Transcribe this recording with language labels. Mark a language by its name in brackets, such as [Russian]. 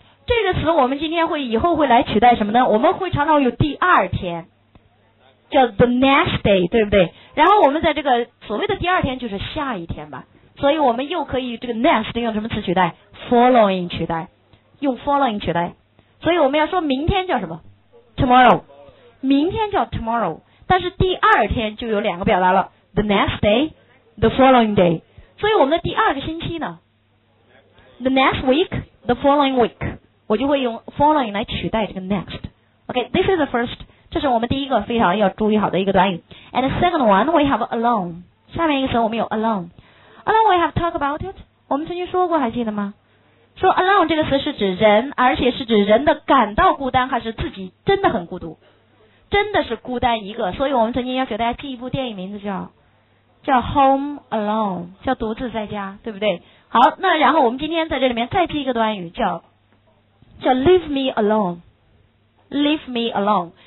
[Chinese] 这个词我们今天会以后会来取代什么呢？我们会常常有第二天，叫 the next day， 对不对？然后我们在这个所谓的第二天就是下一天吧，所以我们又可以这个 next 用什么词取代？ following 取代，用 following 取代。所以我们要说明天叫什么？ tomorrow， 明天叫 tomorrow， 但是第二天就有两个表达了， [English] the next day， the following day。 [Chinese] 所以我们的第二个星期呢， [English] the next week， the following week， [Chinese] 我就会用 following 来取代这个 next。 [English] OK， this is the first， [Chinese] 这是我们第一个非常要注意好的一个短语。 [English] And the second one we have alone， [Chinese] 下面一个词我们有 [English] alone。 Alone we have talked about it， [Chinese] 我们曾经说过还记得吗？说 alone 这个词是指人，而且是指人的感到孤单还是自己真的很孤独，真的是孤单一个。所以我们曾经要给大家记一部电影名字叫 Home Alone， 叫独自在家，对不对？好，那然后我们今天在这里面再记一个短语叫 [English] Leave me aloneLeave me alone.